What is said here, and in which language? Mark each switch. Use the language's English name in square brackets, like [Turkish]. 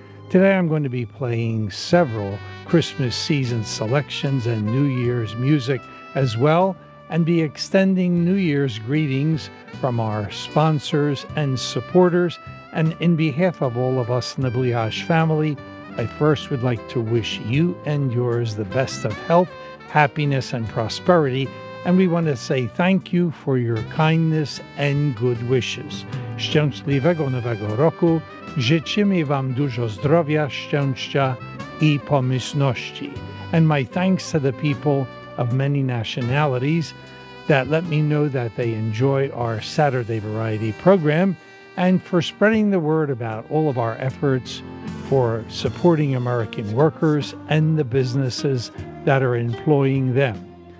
[English] Today I'm going to be playing several Christmas season selections and New Year's music as well, and be extending New Year's greetings from our sponsors and supporters. And in behalf of all of us in the Bliash family, I first would like to wish you and yours the best of health, happiness, and prosperity. And we want to say thank you for your kindness and good wishes. [Polish] Szczęśliwego Nowego Roku. Życzymy Wam dużo zdrowia, szczęścia I pomyślności. [English] And my thanks to the people of many nationalities that let me know that they enjoy our Saturday variety program, and for spreading the word about all of our efforts for supporting American workers and the businesses that are employing them.